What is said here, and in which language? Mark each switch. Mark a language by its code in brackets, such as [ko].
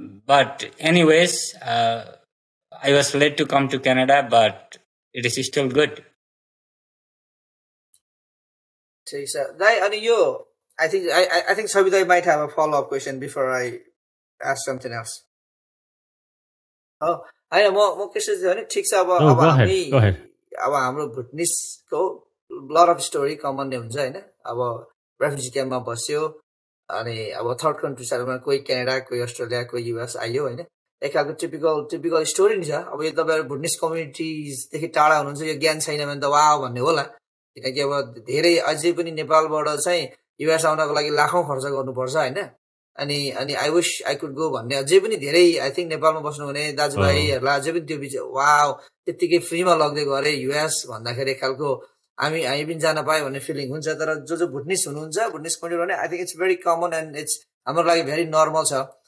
[en] But anyways I was late to come to Canada but it is still good. [ne] ठिक छ दाइ. [en] अनि यो I think Sabidai might have a follow up question before I ask something else. Oh, I know more questions than it takes about go ahead. [ne] Our Bhutanese ko [en] lot of story common name [ne] hunch haina. Aba refugee camp ma basyo ani aba third country sa ma koi Canada, koi Australia, koi US aiyo haina. Ekako typical story ni cha. Aba yo tapai Bhutanese communities dekhi tada hununcha yo gyan chaina bhane ta wow bhanne hola. Kinaki aba dherai ajhai pani Nepal bata chai US आउनको लागि लाखौँ खर्च गर्नुपर्छ होइन. अनि अनि [en] I wish I could go [ne] भन्ने अझै पनि धेरै, [en] I think [ne] नेपालमा बस्नुहुने दाजुभाइहरूलाई अझै पनि त्यो बिच वा त्यत्तिकै फ्रीमा लग्दै गरे युएस भन्दाखेरि एक खालको हामी पनि जान पायो भन्ने फिलिङ हुन्छ. तर जो जो भुटनिस हुनुहुन्छ, भुटनिस कन्ट्री भने [en] I think it's very common and it's [ne] हाम्रो लागि [en] very normal [ne] छ.